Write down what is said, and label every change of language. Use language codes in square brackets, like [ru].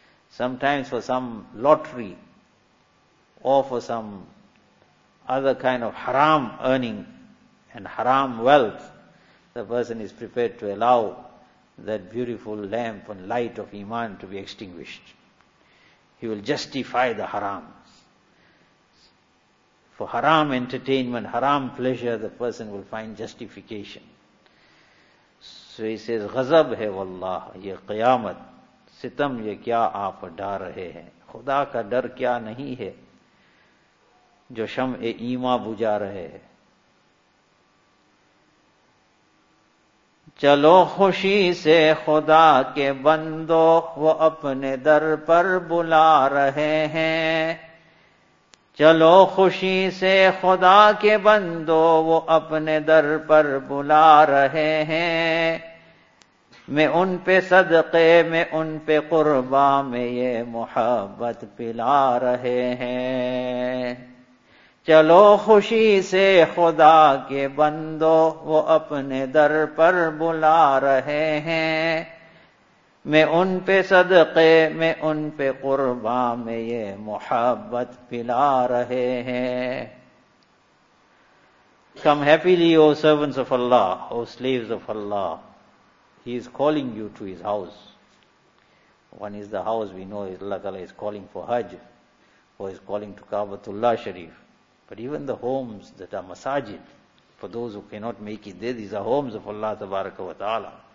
[en] Sometimes for some lottery or for some other kind of haram earning and haram wealth, the person is prepared to allow that beautiful lamp and light of iman to be extinguished. He will justify the harams. For haram entertainment, haram pleasure, the person will find justification. So he says, [ur] غضب ہے واللہ یہ قیامت ستم یہ کیا آپ ڈار رہے ہیں خدا کا ڈر کیا نہیں ہے جو شمع ایمان بجا رہے ہیں. چلو خوشی سے خدا کے بندو وہ اپنے در پر بلا رہے ہیں چلو خوشی سے خدا کے بندو وہ اپنے در پر بلا رہے ہیں میں ان پہ صدقے میں ان پہ قربا میں یہ محبت پلا رہے ہیں چلو خوشی سے خدا کے بندو وہ اپنے در پر بلا رہے ہیں میں ان پہ صدقے میں ان پہ قربا میں یہ محبت پلا رہے ہیں. [en] Come happily, O servants of Allah, O slaves of Allah. He is calling you to his house. One is the house, we know Allah Ta'ala is calling for Hajj, or is calling to Kaabatullah Sharif. But even the homes that are masajid, for those who cannot make it there, these are homes of Allah tabaraka wa ta'ala.